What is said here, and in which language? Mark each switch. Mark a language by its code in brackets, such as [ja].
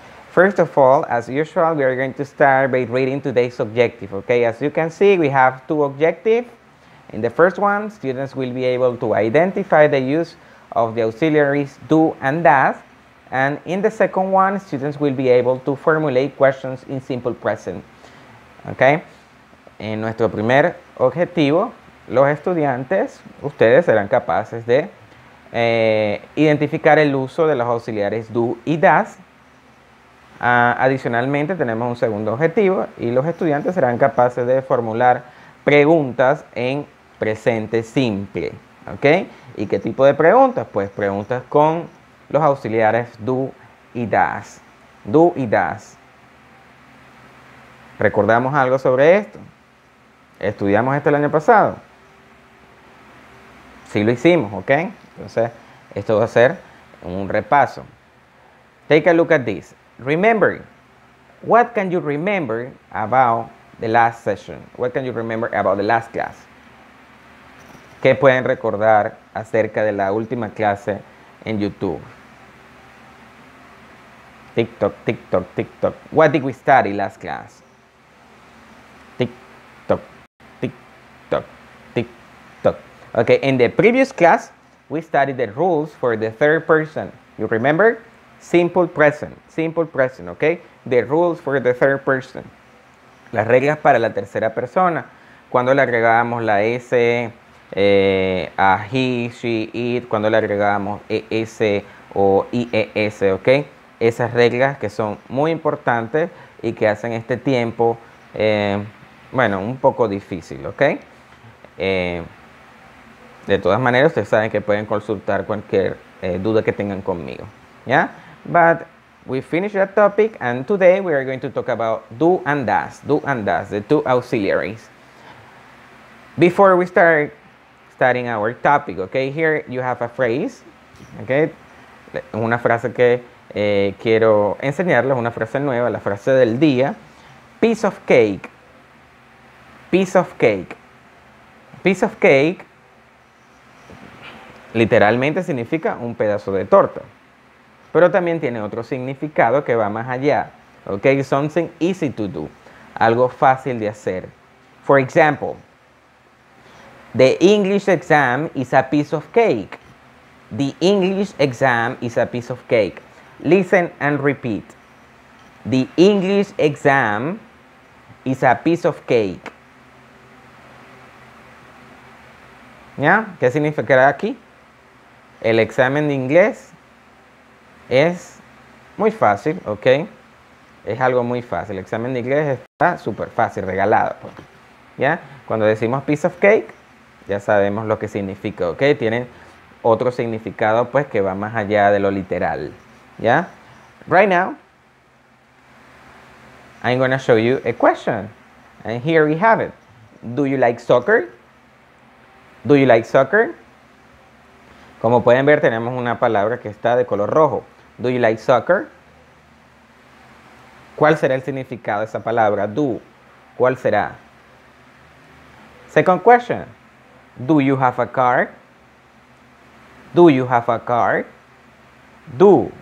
[en] First of all, as usual, we are going to start by reading today's objective, okay? As you can see, we have two objectives. In the first one, students will be able to identify the use of the auxiliaries do and does. And in the second one, students will be able to formulate questions in simple present. Okay? [es] En nuestro primer objetivo, los estudiantes, ustedes serán capaces de identificar el uso de los auxiliares do y does. Adicionalmente, tenemos un segundo objetivo y los estudiantes serán capaces de formular preguntas en presente simple. Okay? ¿Y qué tipo de preguntas? Pues preguntas con los auxiliares do y does. Do y does. ¿Recordamos algo sobre esto? ¿Estudiamos esto el año pasado? Sí, lo hicimos, ¿ok? Entonces, esto va a ser un repaso. [en] Take a look at this. Remember, what can you remember about the last session? What can you remember about the last class? [es] ¿Qué pueden recordar acerca de la última clase en YouTube? [en] TikTok, TikTok, TikTok. What did we study last class? TikTok, TikTok, TikTok. Okay, in the previous class, we studied the rules for the third person. You remember? Simple present, okay? The rules for the third person. [es] Las reglas para la tercera persona. Cuando le agregamos la S a he, she, it. Cuando le agregamos ES o IES, okay? Esas reglas que son muy importantes y que hacen este tiempo, bueno, un poco difícil, ¿ok? De todas maneras, ustedes saben que pueden consultar cualquier duda que tengan conmigo, ¿ya? [en] But we finished that topic and today we are going to talk about do and does, the two auxiliaries. Before we start studying our topic, ¿ok? Here you have a phrase, ¿ok? [es] Una frase que quiero enseñarles una frase nueva, la frase del día. [en] Piece of cake. Piece of cake. [es] Piece of cake literalmente significa un pedazo de torta. Pero también tiene otro significado que va más allá. [en] Okay, something easy to do. [es] Algo fácil de hacer. [en] For example, the English exam is a piece of cake. The English exam is a piece of cake. Listen and repeat. The English exam is a piece of cake. [es] ¿Ya? ¿Qué significará aquí? El examen de inglés es muy fácil, ¿ok? Es algo muy fácil. El examen de inglés está súper fácil, regalado. ¿Ya? Cuando decimos piece of cake, ya sabemos lo que significa, ¿ok? Tienen otro significado, pues, que va más allá de lo literal. [en] Yeah, right now, I'm going to show you a question, and here we have it. Do you like soccer? Do you like soccer? [es] Como pueden ver, tenemos una palabra que está de color rojo. [en] Do you like soccer? [es] ¿Cuál será el significado de esa palabra? Do. ¿Cuál será? [en] Second question. Do you have a car? Do you have a car? Do.